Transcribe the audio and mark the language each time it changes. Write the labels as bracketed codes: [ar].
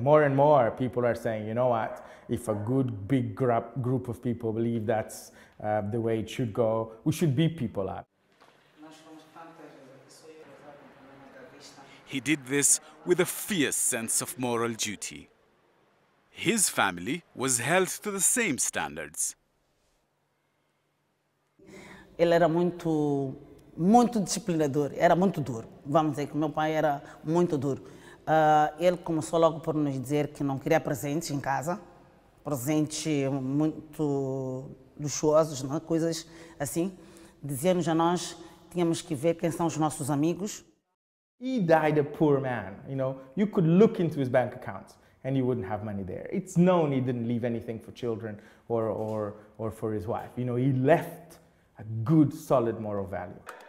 [en] More and more people are saying, you know what, if a good big group of people believe that's the way it should go, we should beat people up. He did this with a fierce sense of moral duty. His family was held to the same standards. [pt] Ele era muito, muito disciplinador, era muito duro. Vamos dizer que meu pai era muito duro. Ele começou logo por nos dizer que não queria presentes em casa, presentes muito luxuosos, não? Coisas assim. Dizia-nos a nós que tínhamos que ver quem são os nossos amigos. [en] He died a poor man, you know. You could look into his bank accounts and you wouldn't have money there. It's known he didn't leave anything for children or for his wife. You know, he left a good, solid moral value.